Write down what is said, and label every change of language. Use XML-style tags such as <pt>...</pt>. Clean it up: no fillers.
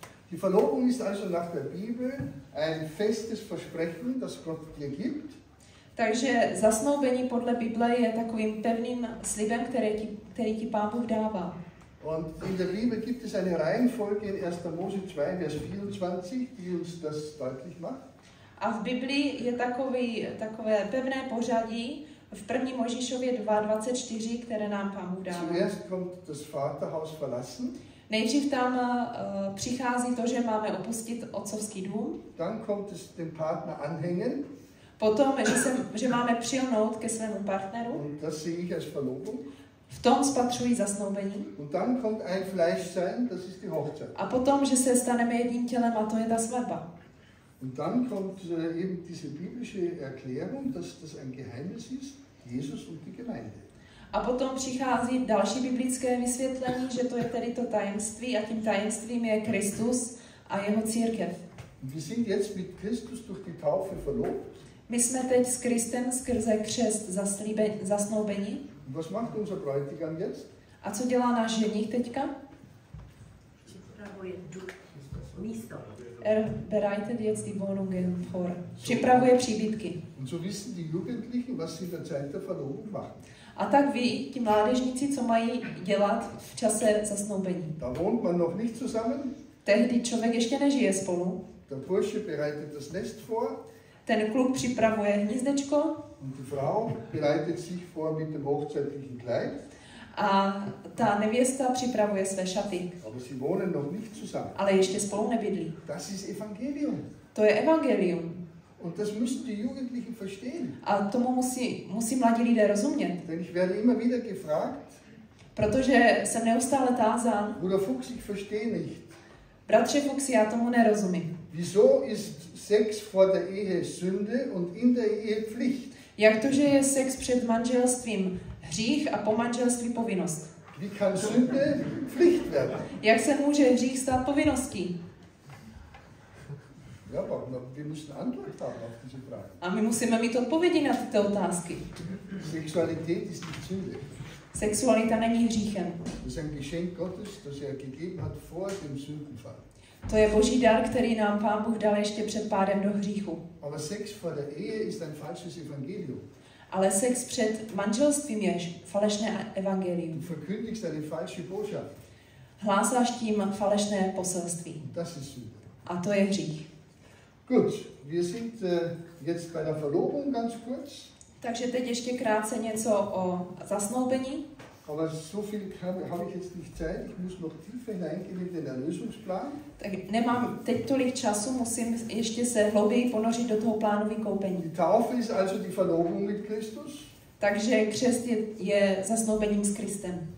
<de>Die Verlobung ist also nach der Bibel ein festes Versprechen, das Gott dir gibt.</de> <cs>Takže zasnoubení podle Bible je takovým pevným slibem, který ti Pán Bůh dává.</cs> <de>Und in der Bibel gibt es eine Reihenfolge in 1. Mose 2, Vers 24, die uns das deutlich macht.</de> <cs>A v Biblii je takové pevné pořadí v 1. Mojžíšově 2:24, které nám Pán Bůh dává.</cs> <de>Zuerst kommt das Vaterhaus verlassen.</de> <cs>Nejdřív tam přichází to, že máme opustit otcovský dům.</cs> <de>Dann kommt es dem Partner anhängen.</de> <cs>Potom, že máme přilnout ke svému partneru.</cs> <de>Und das sehe ich als Verlobung.</de> <cs>V tom spatřují zasnoubení.</cs> <de>Und dann kommt ein Fleisch sein, das ist die Hochzeit.</de> <cs>A potom, že se staneme jedním tělem, a to je ta svatba.</cs> <de>Und dann kommt eben diese biblische Erklärung, dass das ein Geheimnis ist, Jesus und die Gemeinde.</de> <cs>A potom přichází další biblické vysvětlení, že to je tedy to tajemství, a tím tajemstvím je Kristus a jeho církev.</cs> <de>Wir sind jetzt mit Christus durch die Taufe verlobt.</de> <cs>My jsme teď s Kristem skrze křest zasnoubení.</cs> <de>Was macht unser Bräutigam jetzt?</de> <cs>A co dělá náš ženich teďka? Připravuje duch, místo.</cs> <de>Bereitet jetzt die Wohnungen vor.</de> <cs>Připravuje příbytky.</cs> <de>Und so wissen die Jugendlichen, was sie in der Zeit der Verlobung machen.</de> <cs>A tak ví ti mládežníci, co mají dělat v čase zasnoubení.</cs> <de>Da wohnt man noch nicht zusammen.</de> <cs>Tehdy člověk ještě nežije spolu.</cs> <de>Der Bursche bereitet das Nest vor.</de> <cs>Ten kluk připravuje hnízdečko.</cs> <de>Und die Frau bereitet sich vor mit dem hochzeitlichen Kleid.</de> <cs>A ta nevěsta připravuje své šaty.</cs> <de>Aber sie wohnen noch nicht zusammen.</de> <cs>Ale ještě spolu nebydlí.</cs> <de>Das ist Evangelium.</de> <cs>To je evangelium.</cs> <de>Und das müssen die Jugendlichen verstehen.</de> <cs>A tomu musí mladí lidé rozumět.</cs> <de>Denn ich werde immer wieder gefragt.</de> <cs>Protože jsem neustále tázán.</cs> <de>Bruder Fuchs, ich verstehe nicht.</de> <cs>Bratře Fuchsi, já tomu nerozumím.</cs> <de>Wieso ist Sex vor der Ehe Sünde und in der Ehe Pflicht?</de> <cs>Jak to, že je sex před manželstvím hřích a po manželství povinnost?</cs> <de>Wie kann Sünde Pflicht werden?</de> <cs>Jak se může hřích stát povinností?</cs> <de>Ja, aber wir müssen Antwort haben auf diese Frage.</de> <cs>A my musíme mít odpovědi na tyto otázky.</cs> <de>Sexualität ist die Sünde.</de> <cs>Sexualita není hříchem.</cs> <de>Das ist ein Geschenk Gottes, das er gegeben hat vor dem Sündenfall.</de> <cs>To je Boží dar, který nám Pán Bůh dal ještě před pádem do hříchu.</cs> <de>Aber Sex vor der Ehe ist ein falsches Evangelium.</de> <cs>Ale sex před manželstvím je falešné evangelium.</cs> <de>Du verkündigst eine falsche Botschaft.</de> <cs>Hlásáš tím falešné poselství.</cs> <de>Das ist sünde.</de> <cs>A to je hřích.</cs> <de>Gut, wir sind jetzt bei der Verlobung ganz kurz.</de> <cs>Takže teď ještě krátce něco o zasnoubení.</cs> <de>Aber so viel habe ich jetzt nicht Zeit, ich muss noch tiefer hineingehen in den Erlösungsplan.</de> <cs>Tak nemám teď tolik času, musím ještě se hlouběji ponořit do toho plánu vykoupení.</cs> <de>Die Taufe ist also die Verlobung mit Christus.</de> <cs>Takže křest je zasnoubením s Kristem.</cs>